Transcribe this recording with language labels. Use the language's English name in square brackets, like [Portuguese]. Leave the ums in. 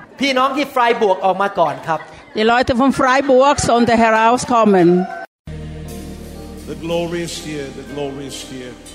[Thai] พี่น้องที่ฟรายบวกออกมาก่อนครับ [German] Die Leute von Freiburg sollen herauskommen. [English] The glory is here, the glory is here.